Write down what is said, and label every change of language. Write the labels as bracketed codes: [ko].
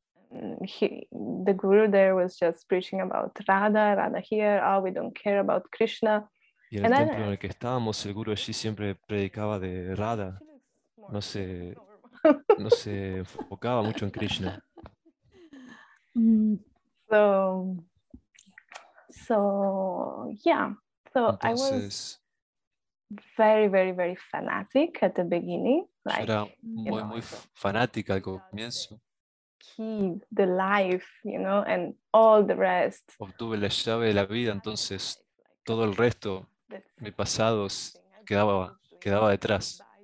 [en] The guru there was just preaching about Radha, Radha here. Oh, we don't care about Krishna. [es] Y el templo en el que estábamos, el guru allí siempre predicaba de Radha. No se enfocaba mucho en Krishna. Entonces, [en] I was very, very, very fanatic at the beginning. Like, [es] era muy, [en] you know, [es] muy fanática al comienzo. [en] Keep the life, you know, and all the rest. [es] Obtuve la llave de la vida, entonces todo el resto, mi pasado quedaba detrás.